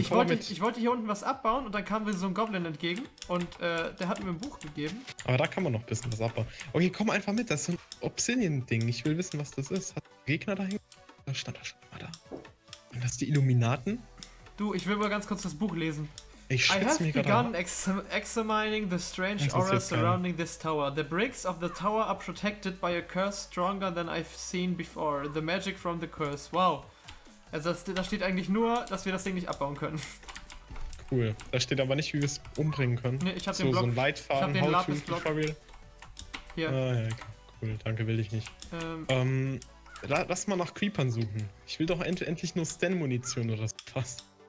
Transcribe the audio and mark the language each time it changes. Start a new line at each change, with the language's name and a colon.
German: Ich wollte hier unten was abbauen und dann kam mir so ein Goblin entgegen. Und der hat mir ein Buch gegeben. Aber da kann man noch ein bisschen was abbauen. Okay, komm einfach mit, das ist so ein Obsidian-Ding. Ich will wissen, was das ist. Hat der Gegner da hingekommen? Da stand er schon mal da. Und das ist die Illuminaten? Du, ich will mal ganz kurz das Buch lesen. Ich
English: have begun examining the strange aura surrounding this tower. The bricks of the tower are protected by a curse stronger than I've seen before. The magic from the curse. Wow.
German: Also da steht eigentlich nur, dass wir das Ding nicht abbauen können. Cool. Da steht aber nicht, wie wir es umbringen können. Nee, ich hab so, den Block. So ein Leitfaden, ich hab den Lapis-Block. Hier. Ah, ja, cool. Danke, will ich nicht. Lass mal nach Creepern suchen. Ich will doch endlich nur Stan-Munition oder so was.